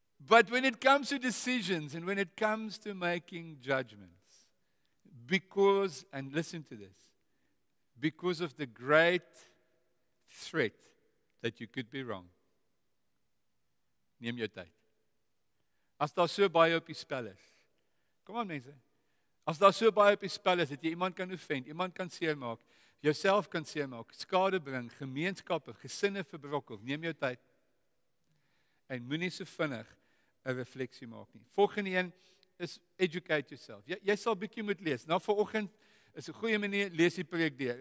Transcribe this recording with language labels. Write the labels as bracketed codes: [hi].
[en] But when it comes to decisions and when it comes to making judgments, because, and listen to this, because of the great threat that you could be wrong, neem jou tyd. [af] As daar so baie op die spel is, kom aan mense, as daar so baie op die spel is, dat jy iemand kan offend, iemand kan seermaak, jouself kan seermaak, skade bring, gemeenskappe, gesinne verbrokkel, neem jou tyd. En moet nie so vinnig een refleksie maak nie. Volgende een is educate yourself. Jy sal bykie moet lees. Nou, vanoggend is een goeie manier, lees die preek deur.